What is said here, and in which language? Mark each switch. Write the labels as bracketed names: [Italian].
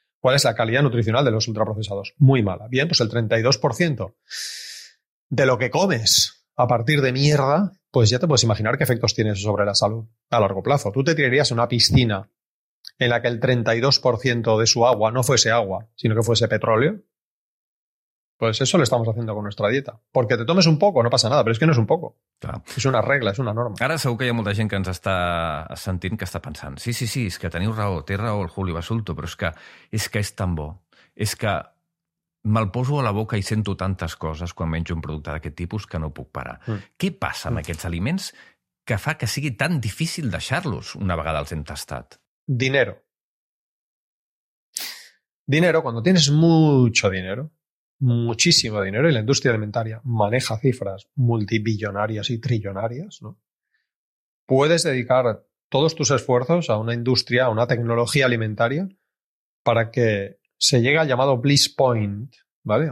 [Spanish] ¿Cuál es la calidad nutricional de los ultraprocesados? Muy mala. Bien, pues el 32% de lo que comes a partir de mierda, pues ya te puedes imaginar qué efectos tiene eso sobre la salud a largo plazo. Tú te tirarías en una piscina en la que el 32% de su agua no fuese agua, sino que fuese petróleo. Pues eso lo estamos haciendo con nuestra dieta. Porque te tomes un poco, no pasa nada, pero es que no es un poco. Claro. [Catalan] És una regla, és una norma. Ara segur que hi ha molta gent que ens està sentint que està pensant, sí, sí, sí, és que teniu raó, té raó el Julio Basulto, però és que és tan bo. És que me'l poso a la boca i sento tantes coses quan menjo un producte d'aquest tipus que no puc parar. Mm. Què passa amb aquests aliments que fa que sigui tan difícil deixar-los una vegada els hem tastat? [Spanish] Dinero. Dinero, cuando tienes mucho dinero, muchísimo dinero, y la industria alimentaria maneja cifras multibillonarias y trillonarias, ¿no? Puedes dedicar todos tus esfuerzos a una industria, a una tecnología alimentaria, para que se llegue al llamado bliss point, ¿vale?